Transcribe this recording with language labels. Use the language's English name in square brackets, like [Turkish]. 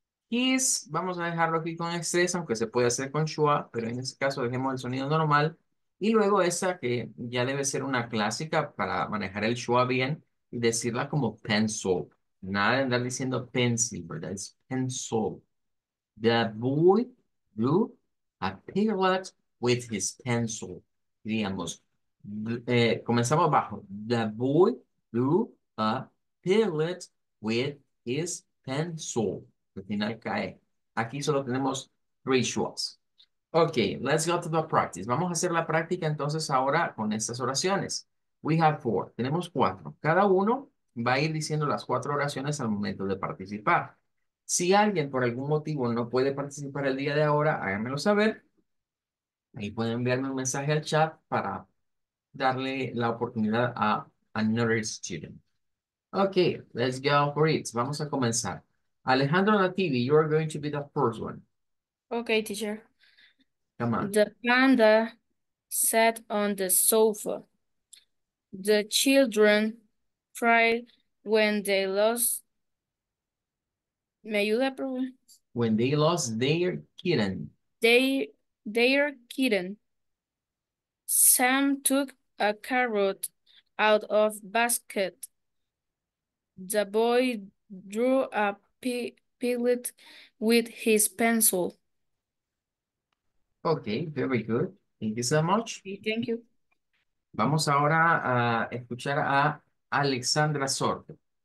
[Spanish] Kiss, vamos a dejarlo aquí con stress, aunque se puede hacer con schwa, pero en este caso dejemos el sonido normal. Y luego esa, que ya debe ser una clásica para manejar el schwa bien, y decirla como pencil. Nada de andar diciendo pencil, ¿verdad? Es pencil. [English] The boy drew a piglet with his pencil. [Spanish] Diríamos, comenzamos abajo. [English] The boy drew a piglet with his pencil. [Spanish] Al final cae. Aquí solo tenemos [English] three schwas. Ok, let's go to the practice. [Spanish] Vamos a hacer la práctica entonces ahora con estas oraciones. [English] We have four. [Spanish] Tenemos cuatro. Cada uno va a ir diciendo las cuatro oraciones al momento de participar. Si alguien por algún motivo no puede participar el día de ahora, háganmelo saber. Ahí pueden enviarme un mensaje al chat para darle la oportunidad a another student. [English] Ok, let's go for it. [Spanish] Vamos a comenzar. [English] Alejandro Nativi, you are going to be the first one. Okay, teacher. Come on. The panda sat on the sofa. The children cried when they lost. [Spanish] ¿Me ayuda, profe? [English] When they lost their kitten. Their kitten. Sam took a carrot out of basket. The boy drew a piglet with his pencil. Okay, very good. Thank you so much. Thank you. [Spanish] Vamos ahora a escuchar a Alexandra Sordo.